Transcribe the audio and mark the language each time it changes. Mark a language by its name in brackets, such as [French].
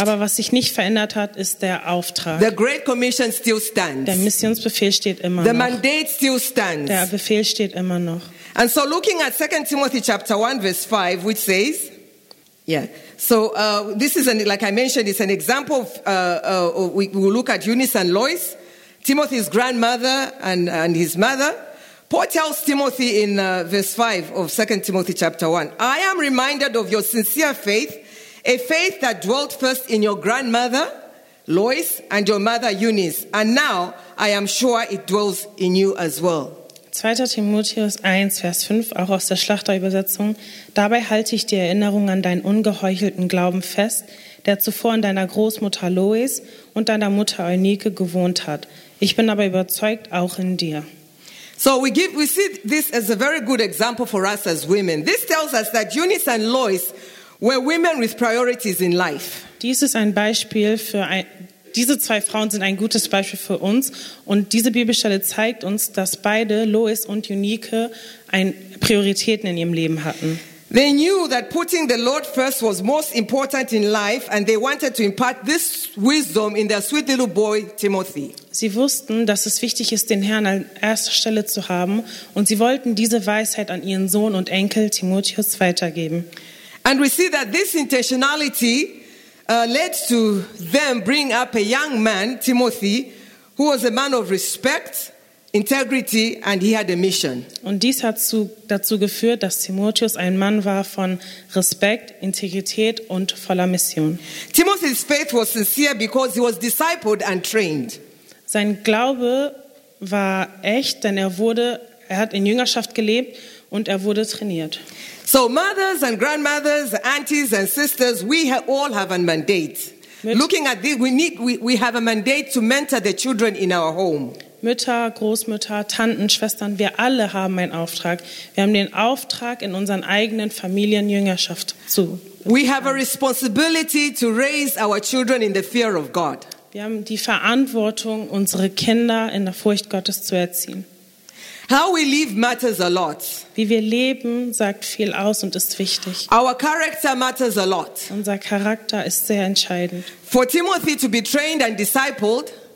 [German] Aber was sich nicht verändert hat, ist der Auftrag. [English] The Great Commission still stands. [German] Der Missionsbefehl steht immer [English] the [German] noch. [English] The mandate still stands. [German] Der Befehl steht immer noch. [English] And so looking at 2 Timothy chapter 1 verse 5, which says, yeah. So this is, like I mentioned, it's an example of, we'll look at Eunice and Lois, Timothy's grandmother and his mother. Paul tells Timothy in verse 5 of 2 Timothy chapter 1, I am reminded of your sincere faith, a faith that dwelt first in your grandmother, Lois, and your mother, Eunice. And now I am sure it dwells in you as well. [German] 2. Timotheus 1, Vers 5, auch aus der Schlachterübersetzung. Dabei halte ich die Erinnerung an deinen ungeheuchelten Glauben fest, der zuvor in deiner Großmutter Lois und deiner Mutter Eunike gewohnt hat. Ich bin aber überzeugt, auch in dir. [English] So we see this as a very good example for us as women. This tells us that Eunice and Lois were women with priorities in life. [German] Dies ist ein Beispiel für ein... Diese zwei Frauen sind ein gutes Beispiel für uns. Und diese Bibelstelle zeigt uns, dass beide, Lois und Eunike, Prioritäten in ihrem Leben hatten. [English] They knew that putting the Lord first was most important in life, and they wanted to impart this wisdom in their sweet little boy, Timothy. [German] Sie wussten, dass es wichtig ist, den Herrn an erster Stelle zu haben. Und sie wollten diese Weisheit an ihren Sohn und Enkel, Timotheus, weitergeben. [English] And we see that this intentionality led to them bring up a young man, Timothy, who was a man of respect, integrity, and he had a mission. [German] Und dies hat dazu geführt, dass Timotheus ein Mann war von Respekt, Integrität und voller Mission. [English] Timothy's faith was sincere because he was discipled and trained. [German] Sein Glaube war echt, denn er hat in Jüngerschaft gelebt und er wurde trainiert. [English] So mothers and grandmothers, aunties and sisters, we all have a mandate. Looking at this, we have a mandate to mentor the children in our home. [German] Mütter, Großmütter, Tanten, Schwestern, wir alle haben einen Auftrag. Wir haben den Auftrag, in unseren eigenen Familien Jüngerschaft zu machen. [English] We have a responsibility to raise our children in the fear of God. [German] Wir haben die Verantwortung, unsere Kinder in der Furcht Gottes zu erziehen. [English] How we live matters a lot. [German] Wie wir leben, sagt viel aus und ist wichtig. [English] Our character matters a lot. [German] Unser Charakter ist sehr entscheidend. [English] For Timothy to be trained and discipled,